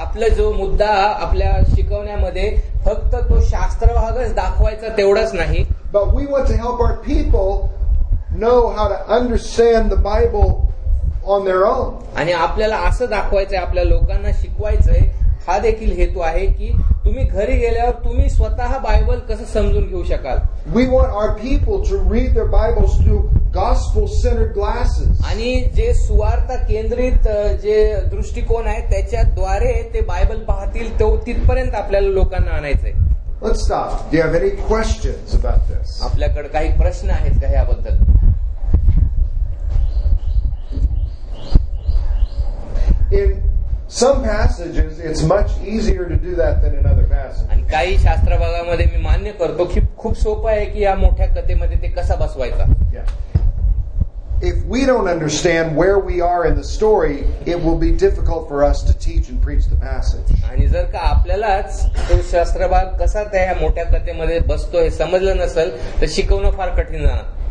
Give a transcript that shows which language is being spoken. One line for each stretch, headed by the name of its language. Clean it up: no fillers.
Marathi: आपला जो मुद्दा आपल्या शिकवण्यामध्ये फक्त तो शास्त्र भागच दाखवायचा तेवढाच नाही.
English: But we want to help our people know how to understand the Bible on their own.
Marathi: आणि आपल्याला असं दाखवायचंय आपल्या लोकांना शिकवायचंय हा देखील हेतू आहे की तुम्ही घरी गेल्यावर तुम्ही स्वतः बायबल कसं समजून घेऊ शकाल.
English: We want our people to read their Bibles through gospel-centered glasses.
Marathi: आणि जे सुवार्ता केंद्रित जे दृष्टिकोन आहे त्याच्याद्वारे ते बायबल पाहतील तो तिथपर्यंत आपल्याला लोकांना आणायचंय.
English: Let's stop. Do you have any questions about this?
Marathi: आपल्याकडे काही प्रश्न आहेत का याबद्दल?
English: In some passages it's much easier to do that than in other passages.
Marathi: आणि काही शास्त्र भागामध्ये मी मान्य करतो की खूप सोपं आहे की या मोठ्या कथेमध्ये ते कसा बसवायचा.
English: If we don't understand where we are in the story, it will be difficult for us to teach and preach the passage.
Marathi: आणि जर का आपल्यालाच तो शास्त्र भाग कसा त्या मोठ्या कथेमध्ये बसतो हे समजलं नसेल तर शिकवणं फार कठीण जाणार.